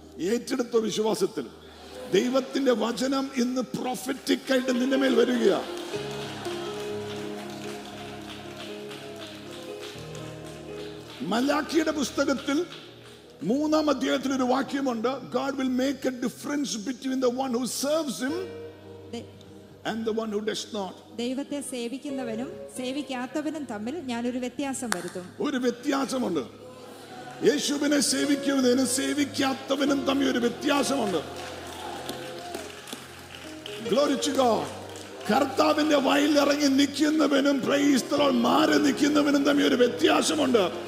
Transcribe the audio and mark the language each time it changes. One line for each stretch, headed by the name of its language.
Malayalam: ഏറ്റെടുത്ത വിശ്വാസത്തിൽ ദൈവത്തിന്റെ വചനം ഇന്ന് പ്രൊഫറ്റിക് ആയിട്ട് നിന്റെ മേൽ വരികയാണ്. മലാക്കിയുടെ പുസ്തകത്തിൽ മൂന്നാം അധ്യായത്തിൽ ഒരു വാക്യമുണ്ട്.
English: God will make a difference between the one who serves him and the one who does not.
Malayalam: ദൈവത്തെ സേവിക്കുന്നവനും സേവിക്കാത്തവനും തമ്മിൽ ഞാൻ ഒരു വ്യത്യാസം വരുത്തും. ഒരു വ്യത്യാസമുണ്ട്. യേശുവിനെ സേവിക്കുന്നതിനും സേവിക്കാത്തവനും തമ്മിൽ ഒരു വ്യത്യാസമുണ്ട്.
English: Glory to God.
Malayalam: കർത്താവിന്റെ വയലിറങ്ങി നിൽക്കുന്നവനും
English: praise the Lord
Malayalam: മാറി നിൽക്കുന്നവനും തമ്മിൽ ഒരു വ്യത്യാസമുണ്ട്.